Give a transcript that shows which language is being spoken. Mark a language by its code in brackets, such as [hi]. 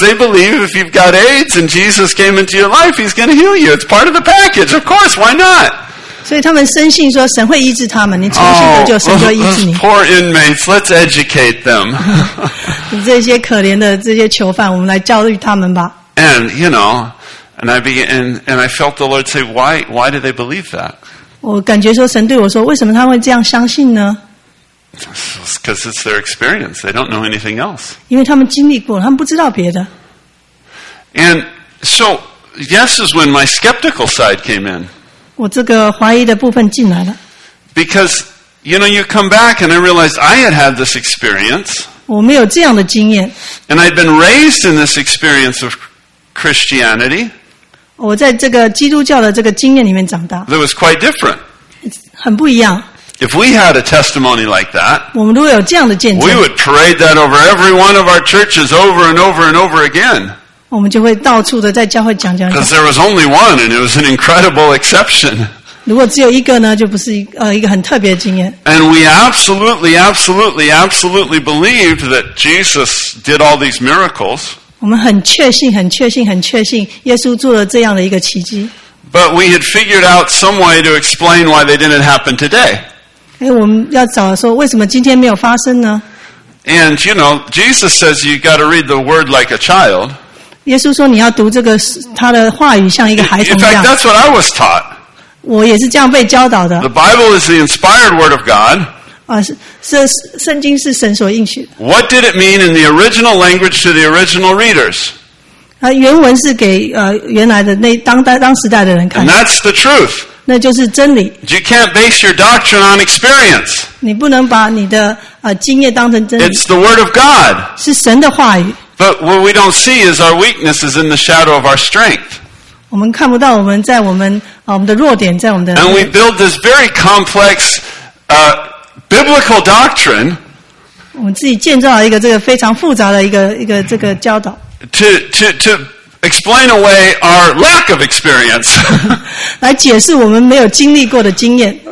[en] They believe if you've got AIDS and Jesus came into your life, He's going to heal you. It's part of the package. Of course, why not? [zh] 所以他们深信说神会医治他们,你重新得救,神就医治你。 [en] Oh, poor inmates, let's educate them. [zh] 这些可怜的这些囚犯,我们来教育他们吧。 [en] And, you know, and I began, and I felt the Lord say, why do they believe that? [zh] 我感觉说神对我说, 为什么他会这样相信呢? [en] Because it's their experience. They don't know anything else. [zh] 因为他们经历过,他们不知道别的。 [en] And so, yes is when my skeptical side came in. [zh] 我这个怀疑的部分进来了。 [en] Because, you know, you come back and I realized I had this experience. [zh] 我没有这样的经验。 [en] And I'd been raised in this experience of Christianity. [zh] 我在这个基督教的这个经验里面长大。 [en] That was quite different. [zh] 很不一样。 [en] If we had a testimony like that, [zh] 我们如果有这样的见证, [en] we would parade that over every one of our churches over and over and over again. [zh] 我们就会到处的在教会讲。 [en] There was only one and it was an incredible exception. [zh] 如果只有一个呢, 就不是一个很特别的经验。 [en] And we absolutely, absolutely, absolutely believed that Jesus did all these miracles. [zh] 我们很确信耶稣做了这样的一个奇迹。 [en] But we had figured out some way to explain why they didn't happen today. [zh] 我们要找说为什么今天没有发生呢? [en] And you know, Jesus says you've got to read the word like a child. [zh] 耶稣说你要读这个他的话语像一个孩子一样。 [en] In fact, that's what I was taught. [zh] 我也是这样被教导的。 [en] The Bible is the inspired word of God. [zh] 啊，是圣经是神所应许的。 [en] What did it mean in the original language to the original readers? [zh] 原文是给原来的那当时代的人看的。 [en] That's the truth. [zh] 那就是真理。 [en] You can't base your doctrine on experience. [zh] 你不能把你的经验当成真理。 [en] It's the word of God. [zh] 是神的话语。 [en] But what we don't see is our weakness is in the shadow of our strength. [zh] 我们看不到我们在我们的弱点在我们的。 [en] And we build this very complex biblical doctrine. [zh] 我们自己建造了一个这个非常复杂的一个这个教导。 [en] To explain away our lack of experience. [zh] 来解释我们没有经历过的经验。